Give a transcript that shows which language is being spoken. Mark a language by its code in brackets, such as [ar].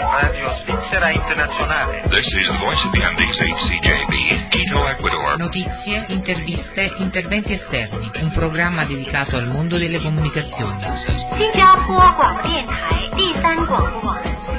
[it] Radio Svizzera Internazionale. [en] This is the Voice of the Andes, HCJB, Quito, Ecuador. [it] Notizie, interviste, interventi esterni. Un programma dedicato al mondo delle comunicazioni. Singapore Radio, il terzo radio.